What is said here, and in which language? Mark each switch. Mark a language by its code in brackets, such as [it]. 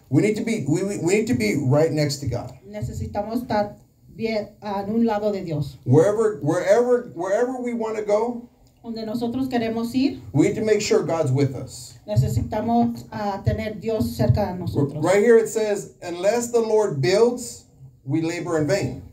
[en] We need to be right next to God. [es] Necesitamos estar bien en un lado de Dios. [en] Wherever we want to go, [es] donde nosotros queremos ir, [en] we need to make sure God's with us. [es] Necesitamos tener Dios cerca de nosotros. [en] Right here it says, unless the Lord builds, we labor in vain.